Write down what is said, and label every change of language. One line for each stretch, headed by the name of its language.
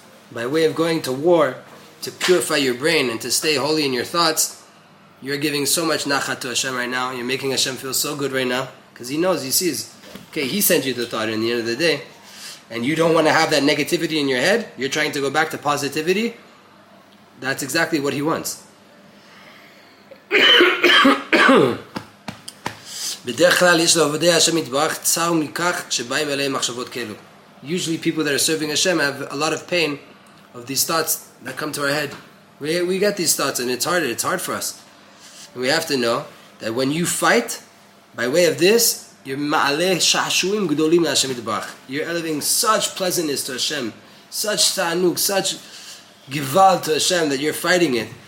English: By way of going to war, to purify your brain and to stay holy in your thoughts, you're giving so much nachat to Hashem right now. You're making Hashem feel so good right now. Because He knows, He sees. Okay, He sent you the thought in the end of the day. And you don't want to have that negativity in your head, you're trying to go back to positivity, that's exactly what he wants.
Hebrew: בדרך כלל יש לעובדי השם יתברך צער מכך שבאים אליהם מחשבות כאלו.
English: Usually people that are serving Hashem have a lot of pain of these thoughts that come to our head. We get these thoughts and it's hard for us. And we have to know that when you fight by way of this, you're
Hebrew: ma'ale shashuim gdolim la'Hashem Yitbarach.
English: You're elevating such pleasantness to Hashem, such ta'anuk, such gival to Hashem that you're fighting it.